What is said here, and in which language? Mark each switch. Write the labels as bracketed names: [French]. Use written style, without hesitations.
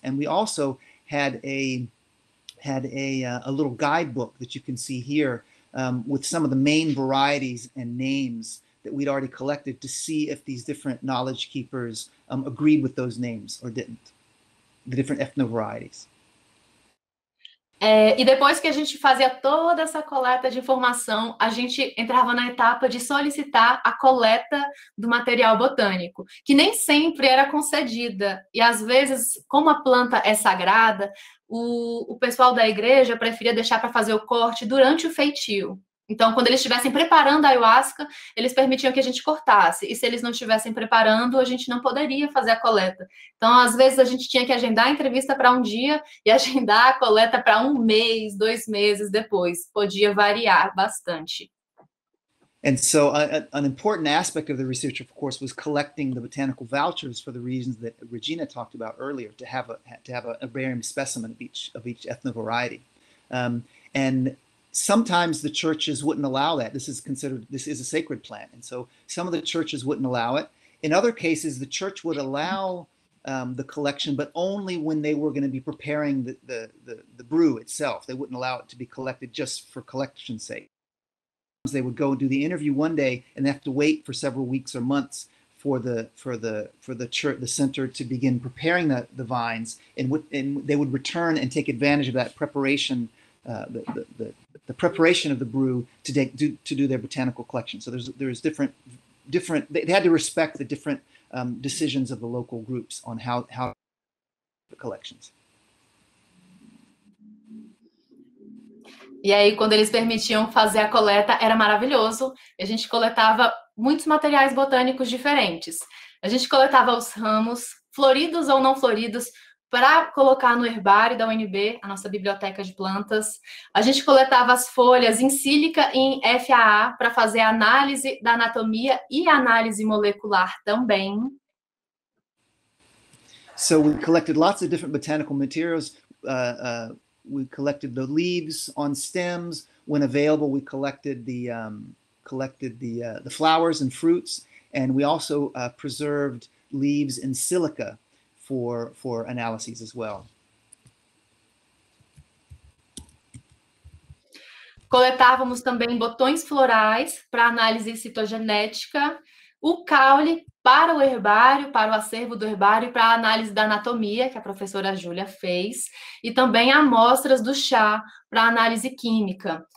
[English] And we also had a little guidebook that you can see here with some of the main varieties and names that we'd already collected to see if these different knowledge keepers agreed with those names or didn't, the different ethno-varieties. [Portuguese] E depois que a gente fazia toda essa coleta de informação, a gente entrava na etapa de solicitar a coleta do material botânico, que nem sempre era concedida. E às vezes, como a planta é sagrada, o pessoal da igreja preferia deixar para fazer o corte durante o feitio. Então, quando eles estivessem preparando a ayahuasca, eles permitiam que a gente cortasse. E se eles não estivessem preparando, a gente não poderia fazer a coleta. Então, às vezes, a gente tinha que agendar a entrevista para um dia e agendar a coleta para um mês, 2 meses depois. Podia variar bastante. [English] And so, an important aspect of the research, of course, was collecting the botanical vouchers for the reasons that Regina talked about earlier, to have a herbarium specimen of each ethno-variety. Sometimes the churches wouldn't allow that. This is a sacred plant. And so some of the churches wouldn't allow it. In other cases, the church would allow the collection, but only when they were going to be preparing the brew itself. They wouldn't allow it to be collected just for collection's sake. They would go and do the interview one day and have to wait for several weeks or months for the church, the center, to begin preparing the vines. And they would return and take advantage of that preparation, the preparation of the brew to do their botanical collection. So there's different, they had to respect the different decisions of the local groups on how the collections. [Portuguese] E aí, quando eles permitiam fazer a coleta, era maravilhoso. A gente coletava muitos materiais botânicos diferentes. A gente coletava os ramos, floridos ou não floridos, para colocar no herbário da UNB, a nossa biblioteca de plantas. A gente coletava as folhas em sílica e em FAA para fazer análise da anatomia e análise molecular também. [English] So we collected lots of different botanical materials. We collected the leaves on stems. When available, we collected the flowers and fruits, and we also preserved leaves in silica for analyses as well. [Portuguese] Coletávamos também botões florais para análise citogenética, o caule para o herbário, para o acervo do herbário, para a análise da anatomia, que a professora Júlia fez, e também amostras do chá para análise química.